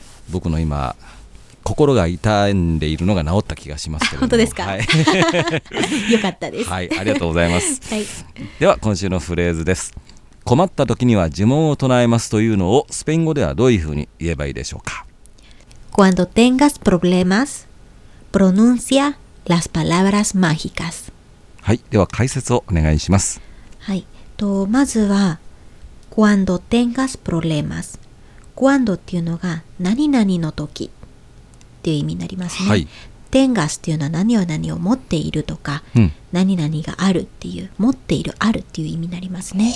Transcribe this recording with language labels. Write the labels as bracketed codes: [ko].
[ja] 僕の今心が痛んでいるのが治った気がしますけども。本当ですか？はい、よかったです、はい、ありがとうございます、はい、では今週のフレーズです。困った時には呪文を唱えますというのをスペイン語ではどういうふうに言えばいいでしょうか？ [es] Cuando tengas problemas pronuncia las palabras mágicas。 [ja] はい、では解説をお願いします。はい、とまずは [es] Cuando tengas problemas、 [ja] Cuando っていうのが何々の時っていう意味になりますね。はい、 Tengas っていうのは何を何を持っているとか、うん、何々があるっていう、持っているあるっていう意味になりますね。